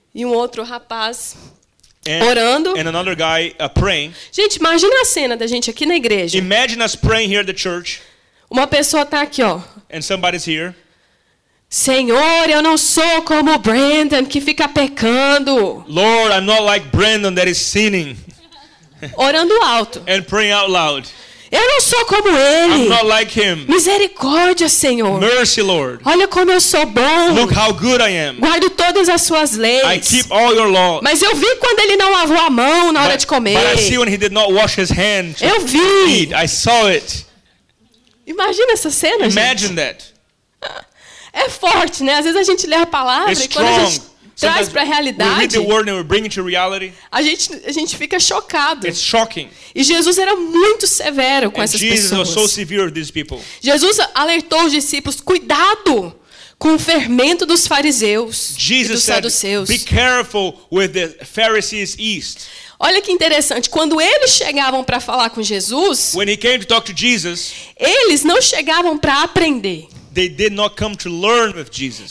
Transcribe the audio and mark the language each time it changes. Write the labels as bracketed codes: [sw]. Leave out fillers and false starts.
[pt] E um outro rapaz orando. [en] And another guy praying. [pt] Gente, imagina a cena da gente aqui na igreja. [en] Imagine us praying here at the church. [pt] Uma pessoa tá aqui, ó. [en] And somebody's here. [pt] Senhor, eu não sou como Brandon que fica pecando. [en] Lord, I'm not like Brandon that is sinning. [pt] Orando alto. [en] And praying out loud. [pt] Eu não sou como ele. [en] I'm not like him. [pt] Misericórdia, Senhor. [en] Mercy, Lord. [pt] Olha como eu sou bom. [en] Look how good I am. [pt] Guardo todas as suas leis. [en] I keep all your laws. [pt] Mas eu vi quando ele não lavou a mão na hora de comer. [en] But I see when he did not wash his hands. [pt] Eu vi. [en] Eat. I saw it. [pt] Imagina essa cena. [en] Imagine That. [pt] É forte, né? Às vezes a gente lê a palavra [en] It's [pt] e quando [en] strong. [pt] A gente traz para a realidade. [en] We read the word and we bring it to reality. [pt] A gente fica chocado. [en] It's shocking. [pt] E Jesus era muito severo com [en] and [pt] essas pessoas. [en] Was so severe with these people. [pt] Jesus alertou os discípulos: cuidado com o fermento dos fariseus [en] Jesus [pt] e dos saduceus. [en] Said, be careful with the Pharisees east. [pt] Olha que interessante, quando eles chegavam para falar com Jesus, [en] when he came to talk to Jesus, [pt] eles não chegavam para aprender. [en] They did not come to learn with Jesus.